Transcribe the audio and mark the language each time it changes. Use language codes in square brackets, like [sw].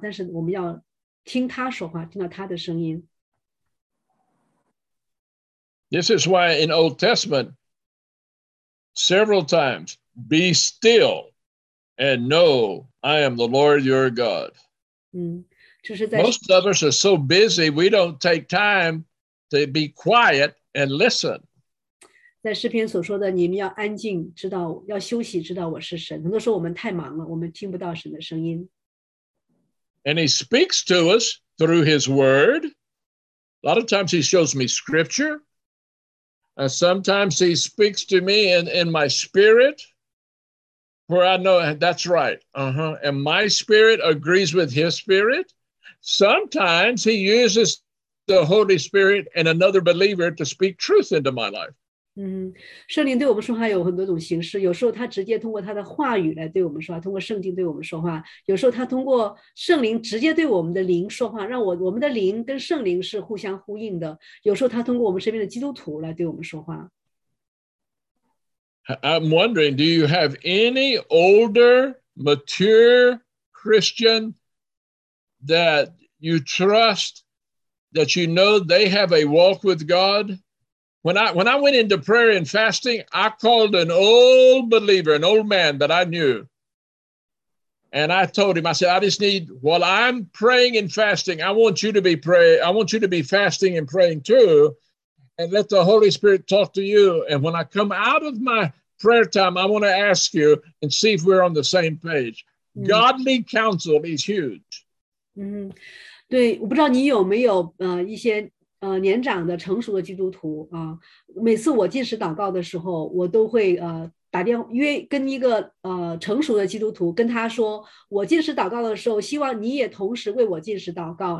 [zh] 让我们兴奋的是，神期待跟我们这样的安静的时间，我们与他单独在一起，他希望这个关系。很多时候祷告，我们只顾自己说话，但是我们要听他说话，听到他的声音。 [en] This is why in Old Testament, several times, be still and know I am the Lord your God. Most of us are so busy, we don't take time to be quiet and listen. [zh] 在诗篇所说的，你们要安静，知道，要休息，知道我是神。很多时候我们太忙了，我们听不到神的声音。 [en] And he speaks to us through his word. A lot of times he shows me scripture. And sometimes he speaks to me in my spirit, where I know that's right. Uh-huh. And my spirit agrees with his spirit. Sometimes he uses the Holy Spirit and another believer to speak truth into my life. [zh] 圣灵对我们说话有很多种形式，有时候他直接通过他的话语来对我们说话，通过圣经对我们说话，有时候他通过圣灵直接对我们的灵说话，让我们的灵跟圣灵是互相呼应的，有时候他通过我们身边的基督徒来对我们说话。 [en] I'm wondering, do you have any older, mature Christian that you trust, that you know they have a walk with God? When I went into prayer and fasting, I called an old believer, an old man that I knew. And I told him, I said, I just need, while I'm praying and fasting, I want you to be fasting and praying too, and let the Holy Spirit talk to you. And when I come out of my prayer time, I want to ask you and see if we're on the same page. Godly counsel is huge. [zh] 对，我不知道你有没有一些年长的成熟的基督徒啊。每次我进食祷告的时候，我都会打电话约跟一个成熟的基督徒，跟他说，我进食祷告的时候，希望你也同时为我进食祷告。